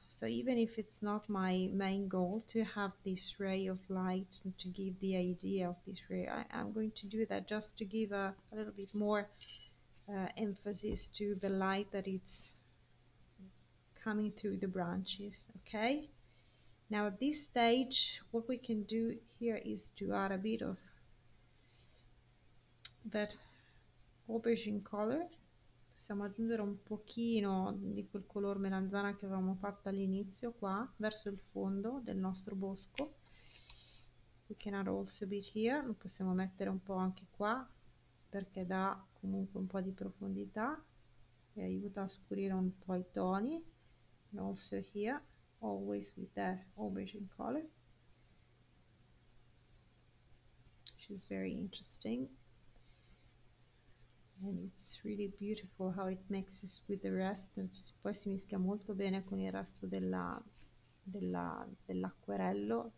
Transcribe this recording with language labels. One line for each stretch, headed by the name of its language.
English: So even if it's not my main goal to have this ray of light and to give the idea of this ray, I'm going to do that just to give a little bit more emphasis to the light that it's coming through the branches. Okay, now at this stage what we can do here is to add a bit of that aubergine color.
Italian: Possiamo aggiungere un pochino di quel color melanzana che avevamo fatto all'inizio qua verso il fondo del nostro bosco.
English: can also be here,
Italian: lo possiamo mettere un po' anche qua perché dà comunque un po' di profondità e aiuta a scurire un po' i toni.
English: And also here, always with that aubergine color, which is very interesting. And it's really beautiful how it mixes with the rest.
Italian: Poi si mischia molto bene con il resto dell'acquerello.